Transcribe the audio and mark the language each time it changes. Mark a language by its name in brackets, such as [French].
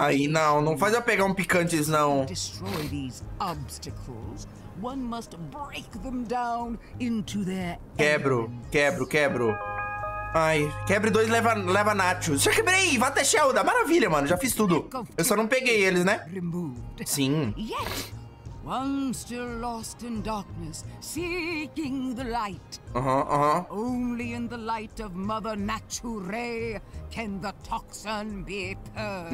[Portuguese] Ai, não, não faz eu pegar um picantes, não. [English] Destroy these obstacles. One must break them down into their [Portuguese] enemies. Quebro, quebro, quebro. Ai, quebre dois, leva Nachos. Já quebrei, vá até Shelda, maravilha, mano. Já fiz tudo, eu só não peguei eles, né? Sim. [English] Yet, one still lost in darkness, seeking the light. Only in the light of Mother Nature can the toxin be purged.